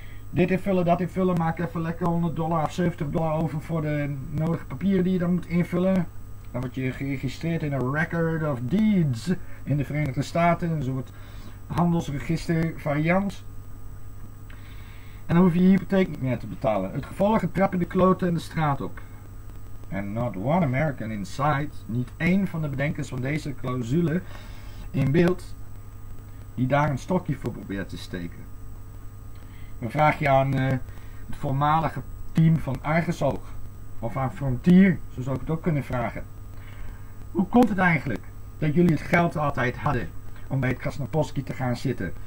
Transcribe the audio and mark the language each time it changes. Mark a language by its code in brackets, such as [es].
[nl] Dit invullen, dat invullen. Maak even lekker $100 of $70 over voor de nodige papieren die je dan moet invullen. Dan word je geregistreerd in een Record of Deeds in de Verenigde Staten. Een soort handelsregister variant. En dan hoef je je hypotheek niet meer te betalen. Het gevolg, het trappen de kloten en de straat op. [en] And not one American in sight. [nl] Niet één van de bedenkers van deze clausule in beeld. Die daar een stokje voor probeert te steken. Dan vraag je aan het voormalige team van Argus Oog. Of aan Frontier, zo zou ik het ook kunnen vragen. Hoe komt het eigenlijk dat jullie het geld altijd hadden om bij het Krasnopolsky te gaan zitten.